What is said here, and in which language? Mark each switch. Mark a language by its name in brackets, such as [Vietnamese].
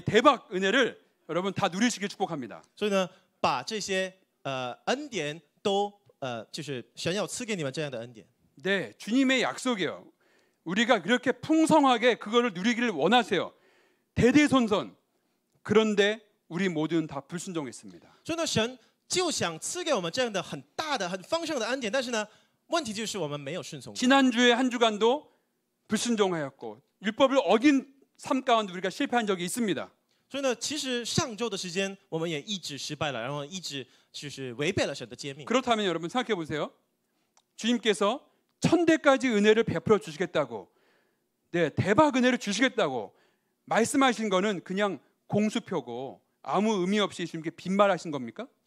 [Korean] 대박 은혜를 여러분 다 누리시길 축복합니다. [Chinese] 所以呢把这些恩典都就是神要赐给你们这样的恩典. [Korean] 네, 주님의 약속이요. 우리가 그렇게 풍성하게 그거를 누리기를 원하세요. 대대손손. 그런데 우리 모두는 다 불순종했습니다. [Chinese] 就想赐给我们这样的很大的很丰盛的恩典，但是呢，问题就是我们没有顺从。 [Korean] 지난주에 한 주간도 불순종하였고 율법을 어긴 삶 가운데 우리가 실패한 적이 있습니다. [Chinese] 所以呢，其实上周的时间我们也一直失败了，然后一直就是违背了神的诫命。 [Korean] 그렇다면 여러분 생각해 보세요. 주님께서 천대까지 은혜를 베풀어 주시겠다고, 네, 대박 은혜를 주시겠다고 말씀하신 거는 그냥 공수표고 아무 의미 없이 주님께 빈말하신 겁니까?